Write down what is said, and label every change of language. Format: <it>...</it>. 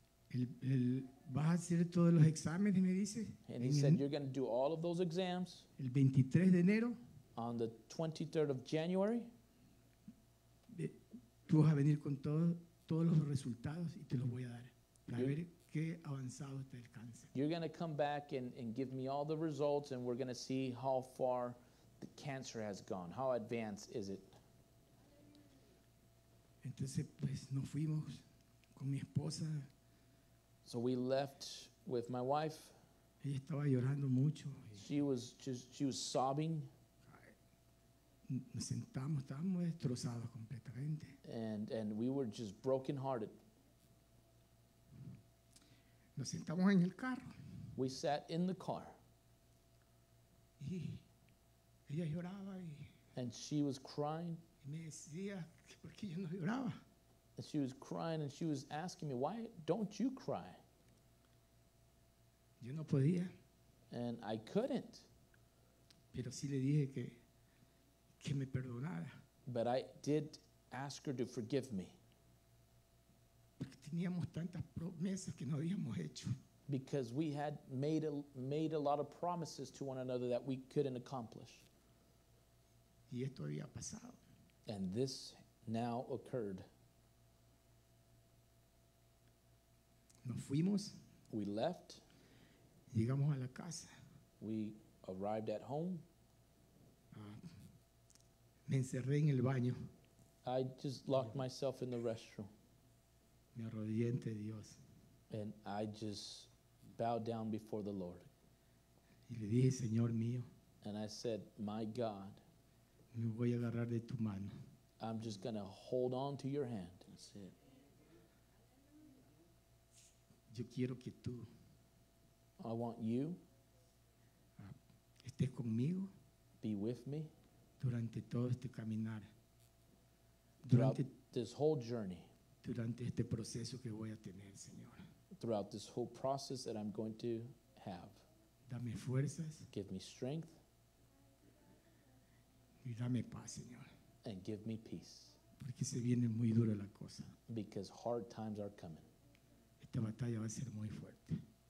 <es>El vas a hacer todos los exámenes, me dice.</es> <en>And he said, you're going to do all of those exams.</en> <es>El 23 de enero.</es> <en>On the 23rd of January.</en> <es>Tú vas a venir con todos los resultados y te los voy a dar para ver qué avanzado está el cáncer.</es> <en>You're going to come back and give me all the results and we're going to see how far the cancer has gone. How advanced is it?</en> <es>Entonces, pues, nos fuimos con mi esposa.</es> <en>So we left with my wife.</en> <es>Ella estaba llorando mucho.</es> <en>She was sobbing.</en> <es>Nos sentamos, estábamos destrozados completamente.</es> <en>And we were just broken hearted.</en> <es>Nos sentamos en el carro.</es> <en>We sat in the car.</en> <es>Y ella lloraba y</es> <en>and she was crying.</en> <es>Y me decía, ¿por qué yo no lloraba?</es> <en>And she was crying and she was asking me, why don't you cry?</en> <es>Yo no podía.</es> <en>And I couldn't.</en> <es>Pero sí le dije que me perdonara.</es> <en>But I did ask her to forgive me.</en> <es>Porque teníamos tantas promesas que no habíamos hecho.</es> <en>Because we had made a lot of promises to one another that we couldn't accomplish.</en> <es>Y esto había pasado.</es> <en>And this now occurred.</en> <es>Nos fuimos.</es> <en>We left.</en> <es>Llegamos a la casa.</es> <en>We arrived at home.</en> <es>Me encerré en el baño.</es> <en>I just locked myself in the restroom.</en> <es>Me arrodillé ante Dios.</es> <en>And I just bowed down before the Lord.</en> <es>Y le dije, Señor mío.</es> <en>And I said, my God.</en> <es>Me voy a agarrar de tu mano.</es> <en>I'm just going to hold on to your hand. That's it.</en> <es>Yo quiero que tú.</es> <en>I want you.</en> <es>estés conmigo.</es> <en>Be with me.</en> <es>Durante todo este caminar.</es> <en>Durante this whole journey.</en> <es>Durante este proceso que voy a tener, Señor.</es> <en>Throughout this whole process that I'm going to have.</en> <es>Dame fuerzas.</es> <en>Give me strength.</en> <es>Y dame paz, Señor.</es> <en>And give me peace.</en> <es>Porque se viene muy dura la cosa.</es> <en>Because hard times are coming.</en> <es>Esta batalla va a ser muy fuerte.</es>